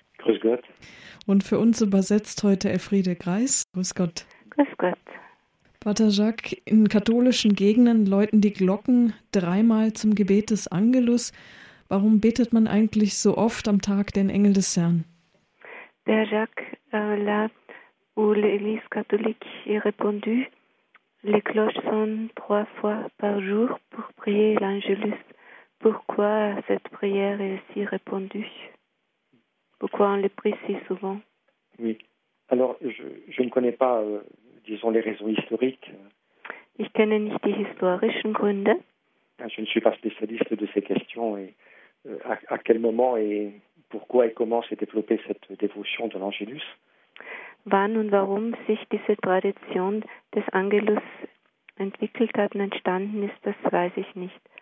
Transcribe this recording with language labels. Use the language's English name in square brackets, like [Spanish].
[German] Grüß Gott. Und für uns übersetzt heute Elfriede Greis. Grüß Gott. Grüß Gott. Pater Jacques, in katholischen Gegenden läuten die Glocken dreimal zum Gebet des Angelus. Warum betet man eigentlich so oft am Tag den Engel des Herrn? [French] Père Jacques, là où l'Église catholique est répandue, les cloches sonnent trois fois par jour pour prier l'Angelus. Pourquoi cette prière est si répandue? Pourquoi on le prie si souvent? Oui. Alors, je ne connais pas, disons, les raisons historiques. [German] Ich kenne nicht die historischen Gründe. [French] Je ne suis pas spécialiste de ces questions et à quel moment et pourquoi et comment s'est développée cette dévotion de l'Angelus? [German] Wann und warum sich diese Tradition des Angelus entwickelt hat und entstanden ist, das weiß ich nicht.